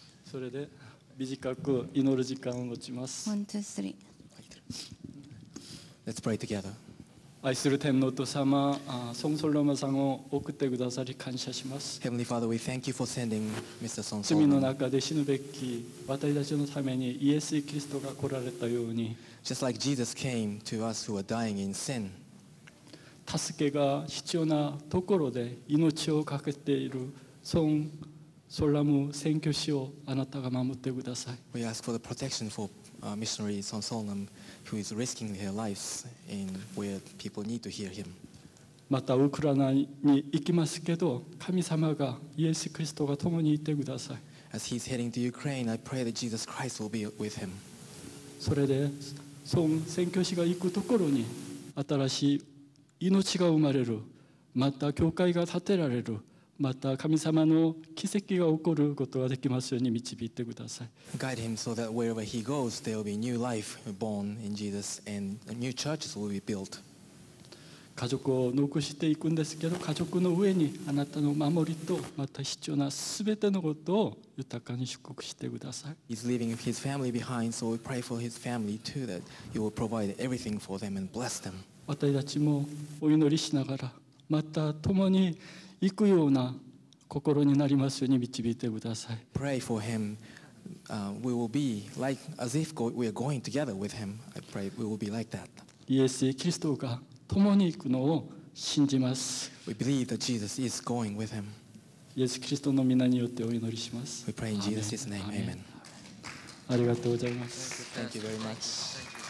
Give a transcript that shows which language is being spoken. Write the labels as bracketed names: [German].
[Japanese] それで短く祈る時間を持ちます。 1、2、3。 [English] Let's pray together. [Japanese] 愛する天皇と様、宋ソロマさんを送ってくださり感謝します。 [English] Heavenly Father, we thank you for sending Mr. Song Solomon. [Japanese] 罪の中で死ぬべき私たちのためにイエス・キリストが来られたように。 [English] Just like Jesus came to us who are dying in sin. [Japanese] 助けが必要なところで命を懸けている宋ソロマ宣教師をあなたが守ってください。 [English] We ask for the protection for missionary Song Solomon. Who is risking their lives and where people need to hear him. [Japanese] またウクライナに行きますけど、神様がイエス・キリストが共にいてください。 [English] As he's heading to Ukraine, I pray that Jesus Christ will be with him. [Japanese] それで、その宣教師が行くところに新しい命が生まれる、また教会が建てられる、また神様の奇跡が起こることができますように導いてください。 [English] Guide him so that wherever he goes, there will be new life born in Jesus and new churches will be built. [Japanese] 家族を残していくんですけど、家族の上にあなたの守りとまた必要なすべてのことを豊かに祝福してください。 [English] He's leaving his family behind, so we pray for his family too that he will provide everything for them and bless them. [Japanese] 私たちもお祈りしながら、また共に行くような心になりますように導いてください。 [English] Pray for him. We will be like as if we are going together with him. I pray we will be like that. [Japanese] イエス・キリストが共に行くのを信じます。 [English] We believe that Jesus is going with him. [Japanese] イエス・キリストの御名によってお祈りします。 [English] We pray in Jesus' name. Amen. Amen. [Japanese] ありがとうございます。 [English] Thank you very much.